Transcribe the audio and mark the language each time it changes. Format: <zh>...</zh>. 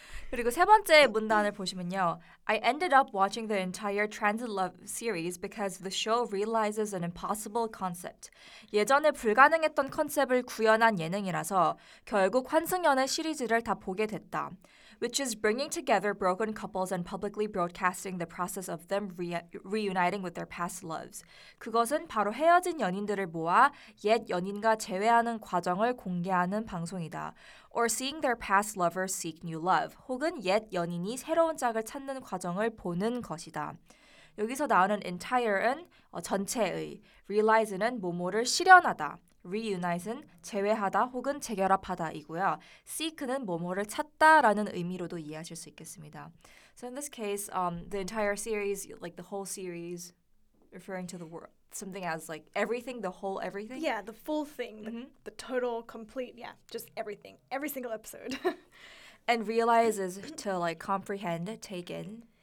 <ko>그리고 세 번째 문단을 보시면요.</ko> <en>I ended up watching the entire Transit Love series because the show realizes an impossible concept.</en> <ko>예전에 불가능했던 컨셉을 구현한 예능이라서 결국 환승연애 시리즈를 다 보게 됐다.</ko> <en>Which is bringing together broken couples and publicly broadcasting the process of them reuniting with their past loves.</en> <ko>그것은 바로 헤어진 연인들을 모아 옛 연인과 재회하는 과정을 공개하는 방송이다.</ko> <en>Or seeing their past lovers seek new love.</en> <ko>혹은 옛 연인이 새로운 짝을 찾는 과정을 보는 것이다. 여기서 나오는 entire은 전체의, realize는 뭐뭐를 실현하다. Reunite은 재회하다 혹은 재결합하다이고요. Seek는 뭐뭐를 찾다라는 의미로도 이해하실 수 있겠습니다.</ko> <en>So in this case, the entire series, like the whole series, referring to the world, something as like everything, the whole everything? Yeah, the full thing, the total, complete, yeah, just everything, every single episode. And realize is to like comprehend, take in.</en>